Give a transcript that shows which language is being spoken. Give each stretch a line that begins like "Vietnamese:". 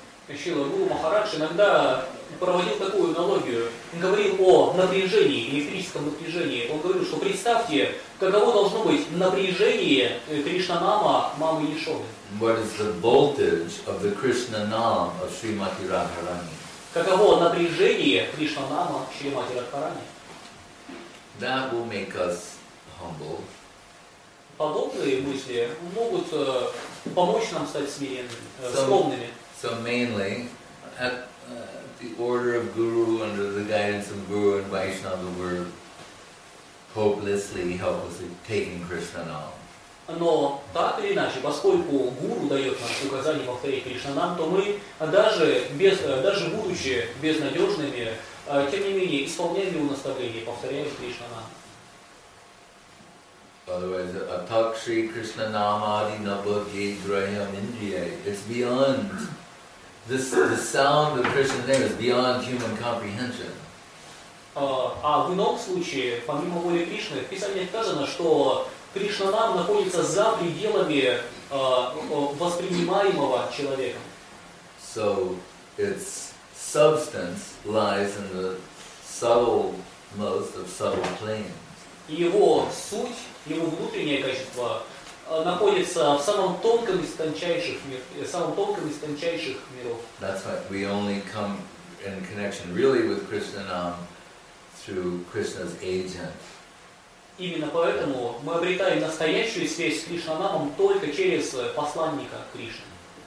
Russian: Шрила Гуру Махарадж иногда проводил такую аналогию. Он говорил о напряжении, электрическом напряжении. Он говорил, что представьте, каково должно быть напряжение Кришна Нама Мамы Яшоды.
English: What is the voltage of the Krishna Nam of Srimati Radharani?
Russian: Каково напряжение Кришна Нама Шримати Радхарани?
English: That will make us humble.
Russian: Подобные мысли могут помочь нам стать скромными.
English: So mainly, at the order of Guru, under the guidance of Guru and Vaishnava, we're hopelessly, helplessly taking Krishna Nam.
Russian: Но так или иначе, поскольку Гуру дает нам указание повторить Кришна Нам, то мы, даже будучи безнадежными, тем не менее, исполняем его наставление, повторяем Кришна Нам.
Sanskrit: Otherwise, Atak Shri Krishna Nam Adi Nabha Gedrayam Indriyai.
English: It's beyond. The sound of Krishna's name is beyond human comprehension.
Russian: А в ином случае, помимо воли Кришны, в Писании сказано, что Кришна Нам находится за пределами воспринимаемого человеком.
English: So its substance lies in the subtle most of subtle planes.
Russian: Его суть, его внутреннее качество находится в самом тонком из тончайших миров.
English: That's why we only come in connection really with Krishna Nam through Krishna's agent.
Russian: Именно поэтому мы обретаем настоящую связь с Кришна Намом только через посланника Кришны.